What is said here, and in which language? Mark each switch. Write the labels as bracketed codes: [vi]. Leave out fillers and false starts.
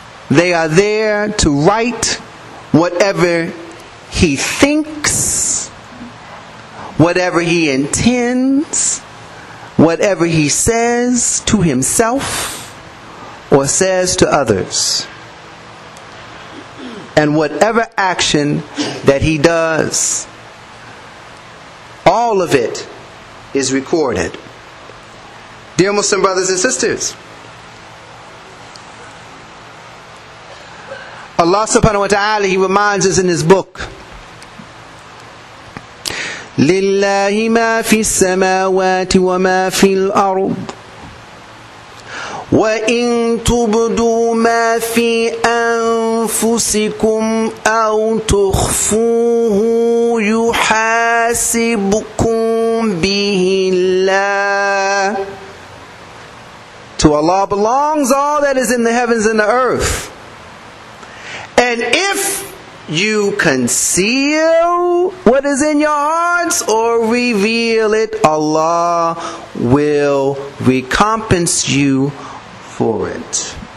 [en] They are there to write whatever he thinks, whatever he intends, whatever he says to himself or says to others, and whatever action that he does. All of it is recorded. Dear Muslim brothers and sisters, Allah subhanahu wa ta'ala, He reminds us in His book, [ar] لِلَّهِ مَا فِي السَّمَاوَاتِ وَمَا فِي الْأَرْضِ وَإِن تُبْدُوا مَا فِي أَنفُسِكُمْ أَوْ تُخْفُوهُ يُحَاسِبُكُمْ بِهِ اللَّهِ. [en] To Allah belongs all that is in the heavens and the earth. And if you conceal what is in your hearts or reveal it, Allah will recompense you for it.